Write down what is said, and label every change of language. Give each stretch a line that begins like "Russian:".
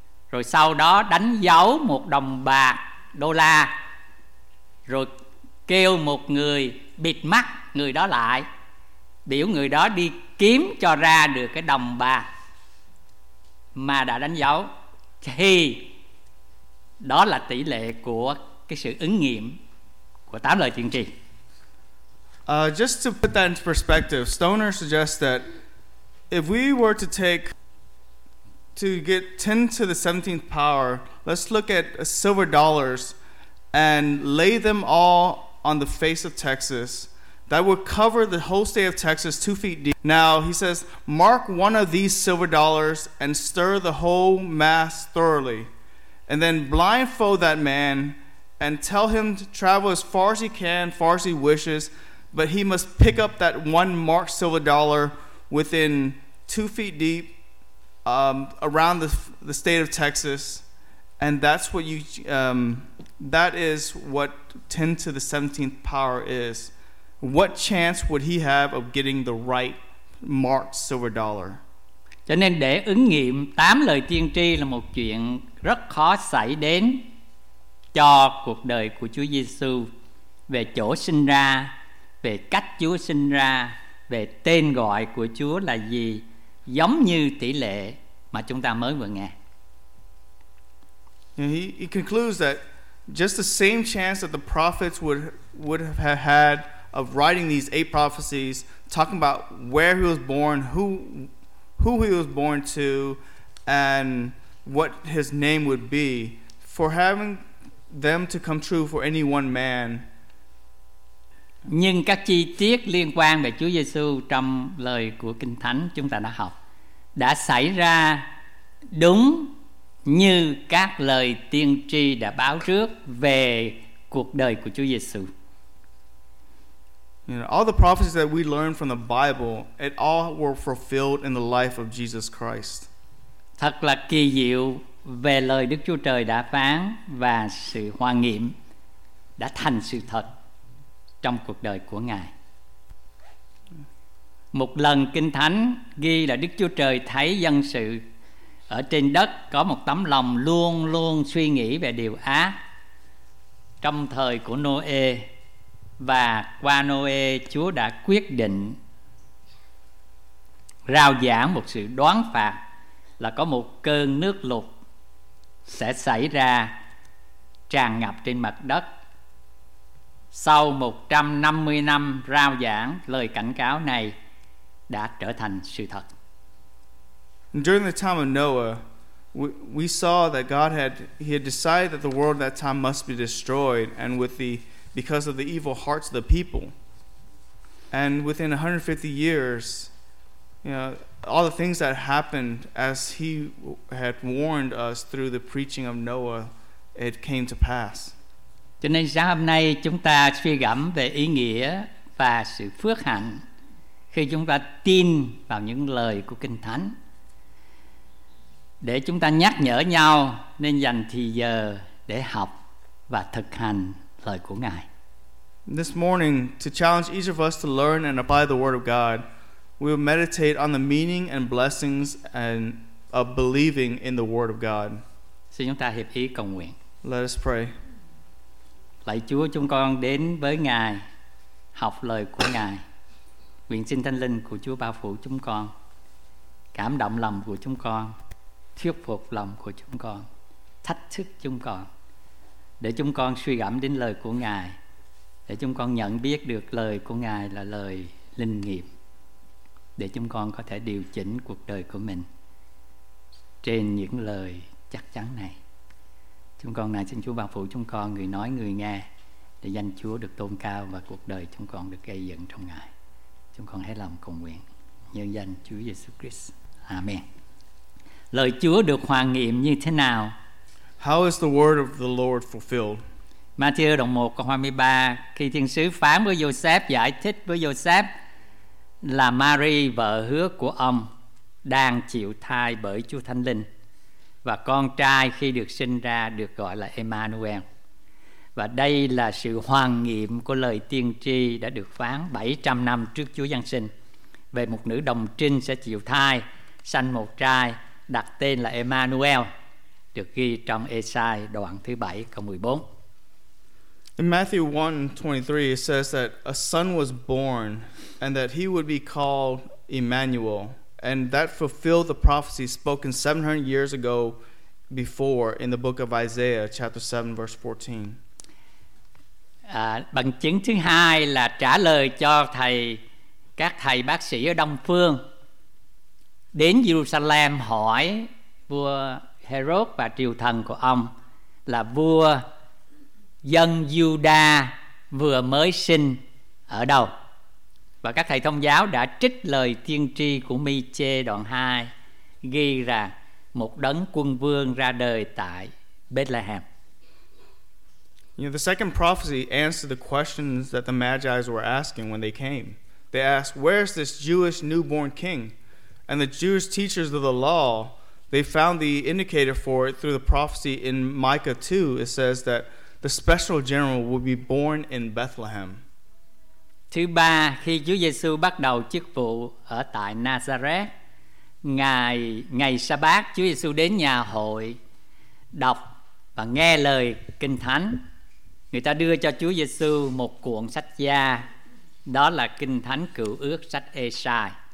Vietnamese: Rồi sau đó đánh dấu một đồng bạc đô la, rồi kêu một người bịt mắt người đó lại, biểu người đó đi kiếm cho ra được cái đồng bạc mà đã đánh dấu, thì đó là tỷ lệ của cái sự ứng nghiệm của 8 lời tiên tri.
English: Just to put that into perspective, Stoner suggests that if we were to take to get 10 to the 17th power, let's look at silver dollars and lay them all on the face of Texas. That would cover the whole state of Texas 2 feet deep. Now, he says, mark one of these silver dollars and stir the whole mass thoroughly. And then blindfold that man and tell him to travel as far as he can, far as he wishes, but he must pick up that one marked silver dollar within 2 feet deep around the state of Texas. And that's what you, that is what 10 to the 17th power is. What chance would he have of getting the right marked silver dollar?
Vietnamese: Cho nên để ứng nghiệm 8 lời tiên tri là một chuyện rất khó xảy đến cho cuộc đời của Chúa Giê-xu, về chỗ sinh ra, về cách Chúa sinh ra, về tên gọi của Chúa là gì, giống như tỷ lệ mà chúng ta mới vừa nghe.
English: He concludes that just the same chance that the prophets would have had of writing these 8 prophecies, talking about where he was born, who he was born to, and what his name would be, for having them to come true for any one man.
Vietnamese: Nhưng các chi tiết liên quan về Chúa Giê-xu trong lời của Kinh Thánh chúng ta đã học đã xảy ra đúng như các lời tiên tri đã báo trước về cuộc đời của Chúa Giê-xu.
English: You know, all the prophecies that we learn from the Bible, it all were fulfilled in the life of Jesus Christ.
Vietnamese: Thật là kỳ diệu về lời Đức Chúa Trời đã phán và sự hoàn nghiệm đã thành sự thật trong cuộc đời của Ngài. Một lần Kinh Thánh ghi là Đức Chúa Trời thấy dân sự ở trên đất có một tấm lòng luôn luôn suy nghĩ về điều ác trong thời của Noe. Và qua Noe, Chúa đã quyết định rao giảng một sự đoán phạt là có một cơn nước lụt sẽ xảy ra tràn ngập trên mặt đất. Sau 150 năm rao giảng, lời cảnh cáo này đã trở thành sự thật.
English: During the time of Noah, we saw that God had he had decided that the world at that time must be destroyed, and with the because of the evil hearts of the people. And within 150 years, you know, all the things that happened as he had warned us through the preaching of Noah, it came to pass.
Vietnamese: Cho nên sáng hôm nay chúng ta suy gẫm về ý nghĩa và sự phước hạnh khi chúng ta tin vào những lời của Kinh Thánh. Để chúng ta nhắc nhở nhau nên dành thời giờ để học và thực hành lời của Ngài.
English: This morning, to challenge each of us to learn and apply the Word of God, we will meditate on the meaning and blessings and of believing in the Word of God.
Vietnamese: Xin chúng ta hiệp ý cầu nguyện.
English: Let us pray.
Vietnamese: Lạy Chúa, chúng con đến với Ngài, học lời của Ngài. Nguyện xin Thánh Linh của Chúa bao phủ chúng con, cảm động lòng của chúng con, thuyết phục lòng của chúng con, thách thức chúng con, để chúng con suy gẫm đến lời của Ngài, để chúng con nhận biết được lời của Ngài là lời linh nghiệm, để chúng con có thể điều chỉnh cuộc đời của mình trên những lời chắc chắn này. Chúng con này xin Chúa bảo phụ chúng con, người nói người nghe, để danh Chúa được tôn cao và cuộc đời chúng con được gây dựng trong Ngài. Chúng con hết lòng cầu nguyện nhân danh Chúa Giêsu Christ. Amen. Lời Chúa được hoàn nghiệm như thế nào?
English: How is the word of the Lord fulfilled?
Vietnamese: Matthew đoạn 1 câu 23, khi thiên sứ phán với Joseph, giải thích với Joseph là Mary vợ hứa của ông đang chịu thai bởi Chúa Thánh Linh, và con trai khi được sinh ra được gọi là Emmanuel. Và đây là sự hoàn nghiệm của lời tiên tri đã được phán 700 năm trước Chúa Giáng sinh, về một nữ đồng trinh sẽ chịu thai, sanh một trai, đặt tên là Emmanuel, được ghi trong Esai đoạn thứ 7 câu 14.
English: In Matthew 1:23 it says that a son was born and that he would be called Emmanuel. And that fulfilled the prophecy spoken 700 years ago before in the book of Isaiah, chapter 7, verse 14.
Vietnamese: Bằng chứng thứ hai là trả lời cho thầy, các thầy bác sĩ ở Đông Phương đến Jerusalem hỏi vua Herod và triều thần của ông là vua dân Giuđa vừa mới sinh ở đâu. Và các thầy thông giáo đã trích lời tiên tri của Mi-chê đoạn 2 ghi rằng một đấng quân vương ra đời tại Bethlehem.
English: You know, the second prophecy answered the questions that the Magi were asking when they came. They asked, where is this Jewish newborn king? And the Jewish teachers of the law, they found the indicator for it through the prophecy in Micah 2. It says that the special general will be born in Bethlehem.
Vietnamese: Thứ ba, khi Chúa Giêsu bắt đầu chức vụ ở tại Nazareth, ngày Sa-bát, Chúa Giêsu đến nhà hội đọc và nghe lời Kinh Thánh. Người ta đưa cho Chúa Giêsu một cuộn sách da, đó là Kinh Thánh Cựu Ước sách Ê-sai.